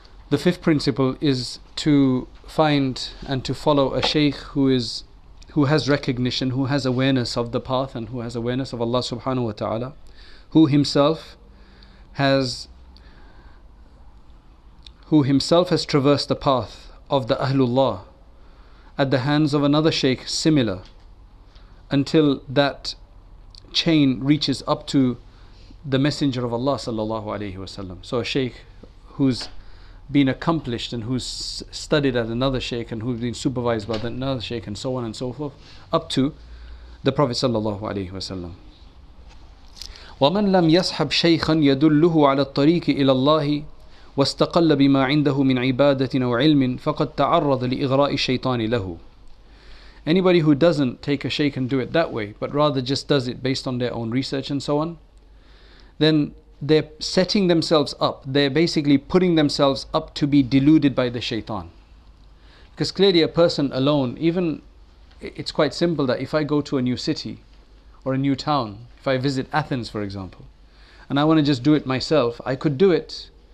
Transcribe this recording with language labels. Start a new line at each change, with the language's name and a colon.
English: The fifth principle is to find and to follow a shaykh who has recognition, who has awareness of the path, and who has awareness of Allah subhanahu wa ta'ala, who himself has traversed the path of the Ahlullah at the hands of another shaykh similar, until that chain reaches up to the Messenger of Allah sallallahu alayhi wasallam. So a shaykh who's been accomplished and who's studied at another shaykh and who's been supervised by another shaykh and so on and so forth, up to the Prophet sallallahu alayhi wasallam.
Arabic: وَمَنْ لَمْ يَصْحَبْ شَيْخًا يَدُلُّهُ عَلَى الطَّرِيكِ إِلَى اللَّهِ واستقل بما عنده من عبادة أو علم فقد تعرض لإغراء الشيطان له.
English: Anybody who doesn't take a shaykh and do it that way, but rather just does it based on their own research and so on, then they're setting themselves up, they're basically putting themselves up to be deluded by the shaytan. Because clearly a person alone, even it's quite simple that if I go to a new city or a new town, if I visit Athens for example, and I want to just do it myself, I could do it.